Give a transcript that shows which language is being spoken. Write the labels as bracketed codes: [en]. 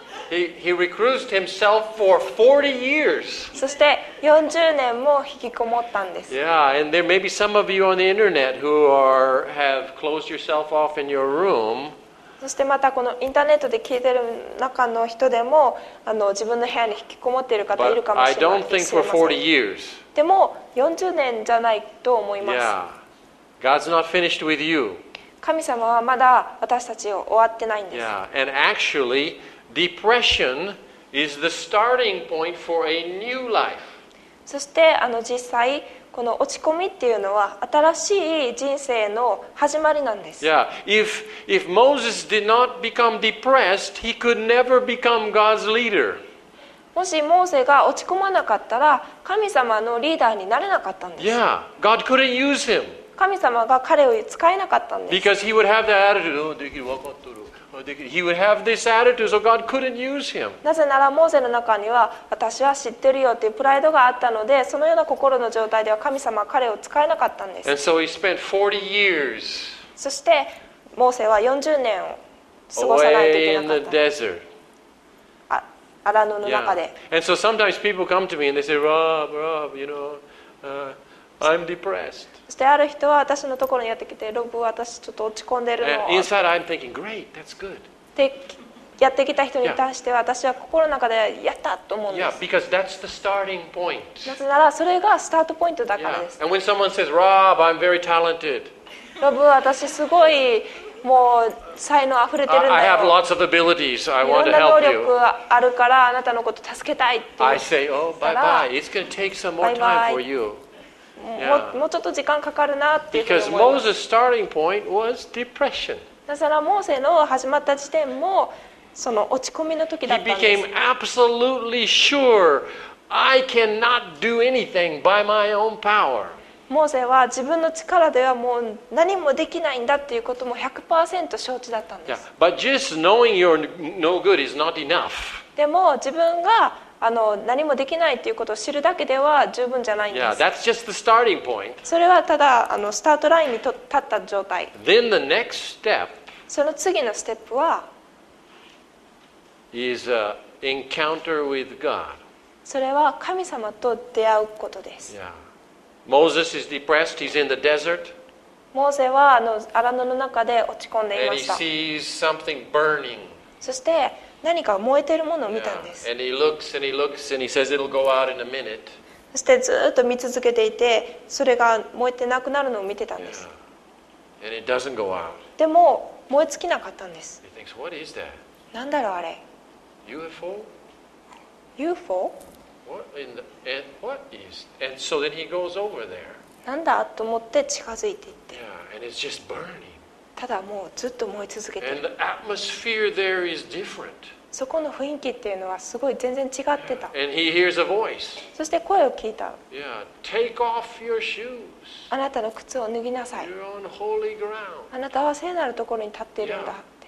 [en] He reclused himself for 40 years. [ja] そして40年も引きこもったんです。 [en] Yeah, and there may be some of you on the internet who have closed yourself off in your room. [ja] そしてまたこのインターネットで聞いてる中の人でも自分の部屋に引きこもっている方いるかもしれません。 [en] But I don't think for 40 years. [ja] でも40年じゃないと思います。 [en] Yeah. God's not finished with you. [ja] 神様はまだ私たちを終わってないんです。 [en] Yeah, and actually, depression is the starting point for a new life. [ja] そして実際この落ち込みっていうのは新しい人生の始まりなんです。 [en] Yeah, if Moses did not become depressed, he could never become God's leader. [ja] もしモーセが落ち込まなかったら神様のリーダーになれなかったんです。 [en] Yeah, God couldn't use him. [ja] 神様が彼を使えなかったんです。 [en] Because he would have that attitude, [ja] できる、分かっとる。 [en] He would have this attitude, so God couldn't use him. [ja] なぜならモーゼの中には私は知ってるよっていうプライドがあったので、そのような心の状態では神様は彼を使えなかったんです。 [en] And so he spent 40 years. [ja] そしてモーセは40年を過ごさないといけなかった。 [en] Away in the desert. [ja] アラノの中で。 [en] Yeah. And so sometimes people come to me and they say, Rob, you know. I'm depressed. [ja] そしてある人は私のところにやってきて、ロブ、私ちょっと落ち込んでるの。 [en] Inside I'm thinking, great, that's good. で、 [ja] やってきた人に対しては私は心の中でやったと思うんです。 [en] Yeah, because that's the starting point. [ja] なぜならそれがスタートポイントだからです。 [en] And when someone says, Rob, I'm very talented. [ja] ロブ、私すごいもう才能あふれてるんだよ。 [en] I have lots of abilities. I want to help you. [ja] いろんな能力あるからあなたのこと助けたいって言ったら、 [en] I say, oh, bye bye. It's going to take some more time for you. [ja] もうちょっと時間かかるなっていうふうに思います。 [en] Moses' starting point was depression. [ja] だからモーセの始まった時点もその落ち込みの時だったんです。 [en] He became absolutely sure I cannot do anything by my own power. [ja] モーセは自分の力ではもう何もできないんだっていうことも 100% 承知だったんです。 [en] Yeah. But just knowing you're no good is not enough. [ja] でも自分が何もできないということを知るだけでは十分じゃないんです。 [en] Yeah, that's just the starting point. [ja] それはただスタートラインに立った状態。 [en] Then the next step, [ja] その次のステップは [en] is a encounter with God. [ja] それは神様と出会うことです。 [en] Yeah. Moses is depressed. He's in the desert. [ja] モーセはアラノの中で落ち込んでいました。 [en] And he sees something burning. [ja] そして何か燃えているものを見たんです。 [en] And he looks and he looks and he says it'll go out in a minute. [ja] そしてずっと見続けていて、それが燃えてなくなるのを見てたんです。 [en] Yeah. And it doesn't go out. [ja] でも燃え尽きなかったんです。 [en] He thinks, what is that? [ja] なんだろうあれ。 [en] UFO? [ja] UFO? [en] What in the, and what is? And so then he goes over there. [ja] なんだと思って近づいていって。 [en] Yeah, and it's just burning. [ja] ただもうずっと燃え続けている。 [en] And the atmosphere there is different. [ja] そこの雰囲気っていうのはすごい全然違ってた。 [en] Yeah. And he hears a voice. [ja] そして声を聞いた。 [en] Yeah. Take off your shoes. [ja] あなたの靴を脱ぎなさい。 [en] You're on holy ground. [ja] あなたは聖なるところに立っているんだって。